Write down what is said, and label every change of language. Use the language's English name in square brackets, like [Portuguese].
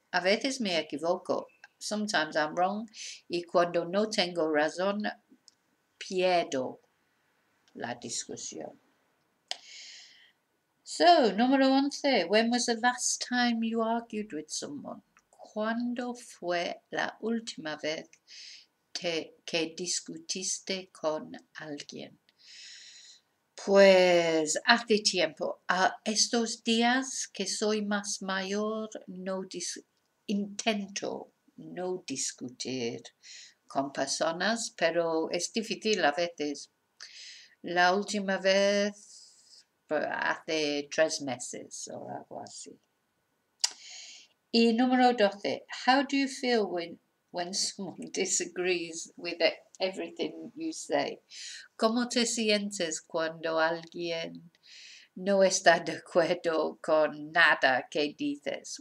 [Spanish] A veces me equivoco. [English] Sometimes I'm wrong, [Spanish] y cuando no tengo razón, pierdo la discusión. [English] So, [Spanish] número 11, [English] when was the last time you argued with someone? [Spanish] ¿Cuándo fue la última vez que discutiste con alguien? Pues, hace tiempo. Estos días que soy más mayor, no discutir con personas, pero es difícil a veces. La última vez hace 3 meses o algo así. Y número 12, [English] how do you feel when someone disagrees with everything you say? [Spanish] ¿Cómo te sientes cuando alguien no está de acuerdo con nada que dices?